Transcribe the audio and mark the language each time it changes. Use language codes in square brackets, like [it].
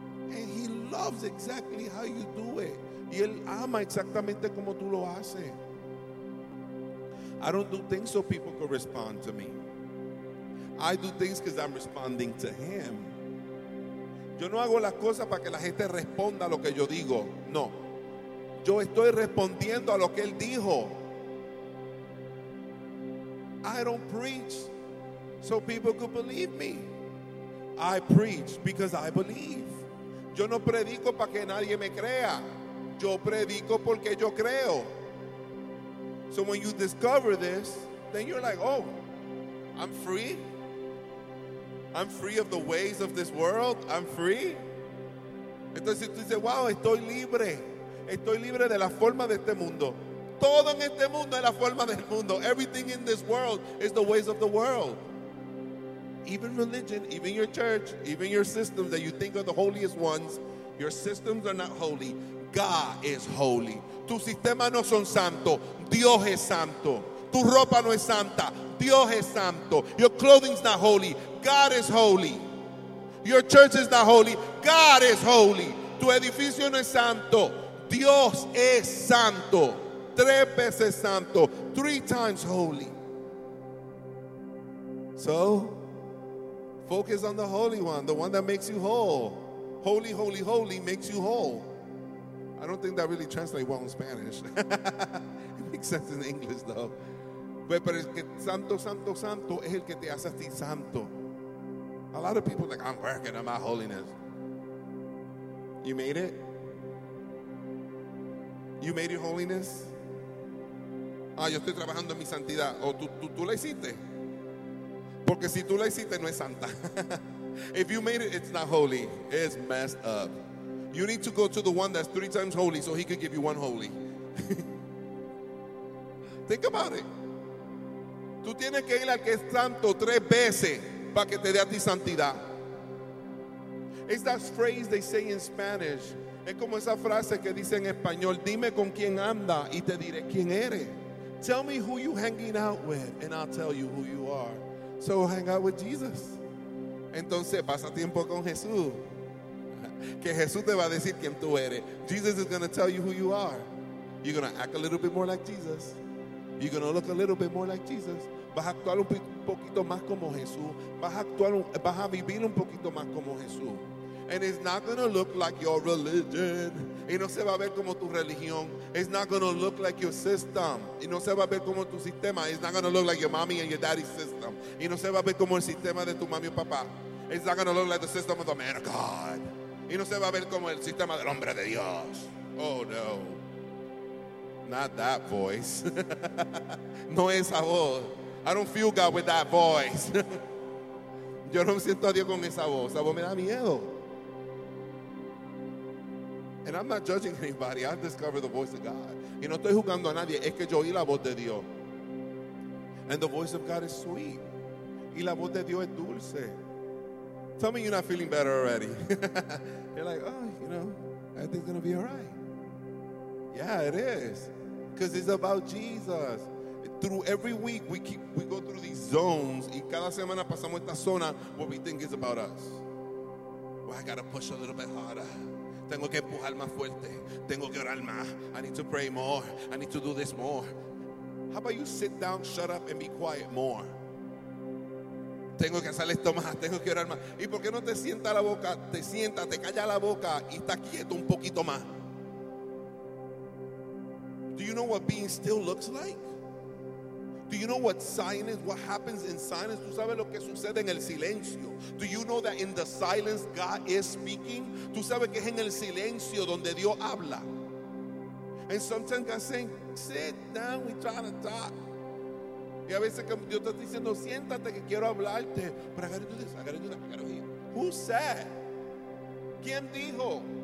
[en] And he loves exactly how you do it. [es] Y él ama exactamente como tú lo haces. [en] I don't do things so people could respond to me. I do things because I'm responding to him. [es] Yo no hago las cosas para que la gente responda a lo que yo digo. No. Yo estoy respondiendo a lo que él dijo. [en] I don't preach so people could believe me. I preach because I believe. [es] Yo no predico para que nadie me crea. Yo predico porque yo creo. [en] So when you discover this, then you're like, oh, I'm free. I'm free of the ways of this world. I'm free. [es] Entonces tú dices, wow, estoy libre. Estoy libre de la forma de este mundo. Todo en este mundo es la forma del mundo. [en] Everything in this world is the ways of the world. Even religion, even your church, even your systems that you think are the holiest ones, your systems are not holy. God is holy. [es] Tus sistemas no son santos. Dios es santo. Tu ropa no es santa. Dios es santo. [en] Your clothing's not holy. God is holy. Your church is not holy. God is holy. [es] Tu edificio no es santo. Dios es santo. Tres veces santo. [en] Three times holy. So, focus on the Holy One, the one that makes you whole. Holy, holy, holy makes you whole. I don't think that really translates well in Spanish. It makes sense in English, though. But it's [es] que santo, santo, santo es el que te hace a ti santo. [en] A lot of people are like, I'm working on my holiness. You made it? You made your holiness? [es] Ah, yo estoy trabajando en mi santidad. O tú la hiciste. Porque si tú la hiciste, no es santa. [en] If you made it, it's not holy. It's messed up. You need to go to the one that's three times holy so he could give you one holy. Think about it. [es] Tú tienes que ir al que es santo tres veces para que te dé a ti santidad. [en] It's that phrase they say in Spanish. [es] Es como esa frase que dice en español, dime con quién anda y te diré quién eres. [en] Tell me who you're hanging out with and I'll tell you who you are. So hang out with Jesus. [es] Entonces pasa tiempo con Jesús. Que Jesús te va a decir quién tú eres. [en] Jesus is going to tell you who you are. You're going to act a little bit more like Jesus. You're going to look a little bit more like Jesus. [es] Vas a actuar un poquito. poquito más como Jesús. Vas a actuar, vas a vivir un poquito más como Jesús. [en] And it's not going to look like your religion. [es] Y no se va a ver como tu religión. [en] It's not going to look like your system. [es] Y no se va a ver como tu sistema. [en] It's not going to look like your mommy and your daddy's system. [es] Y no se va a ver como el sistema de tu mami y papá. [en] It's not going to look like the system of the man of God. [es] Y no se va a ver como el sistema del hombre de Dios. [en] Oh no. Not that voice. [es] No esa voz. [en] I don't feel God with that voice. [es] Yo no siento a Dios con esa voz. Esa voz me da miedo. [en] And I'm not judging anybody. I've discovered the voice of God. [es] Y no estoy juzgando a nadie. Es que yo oí la voz de Dios. [en] And the voice of God is sweet. [es] Y la voz de Dios es dulce. [en] Tell me you're not feeling better already. You're like, oh, you know, everything's going to be all right. Yeah, it is. Because it's about Jesus. Through every week, we go through these zones. [es] Y cada semana pasamos esta zona [en] where we think it's about us. Well, I got to push a little bit harder. [es] Tengo que empujar más fuerte. Tengo que orar más. [en] I need to pray more. I need to do this more. How about you sit down, shut up, and be quiet more? [es] Tengo que hacer esto más. Tengo que orar más. ¿Y por qué no te sienta la boca? Te sienta, te calla la boca y está quieto un poquito más. [en] Do you know what being still looks like? Do you know what silence, what happens in silence? [es] ¿Tú sabes lo que sucede en el silencio? [en] Do you know that in the silence God is speaking? [es] ¿Tú sabes que es en el silencio donde Dios habla? [en] And sometimes God's saying, sit down, we're trying to talk. [es] Y a veces que Dios está diciendo, siéntate que quiero hablarte. [en] But I gotta do this, I gotta do that, I gotta hear. Who said? [es] ¿Quién dijo?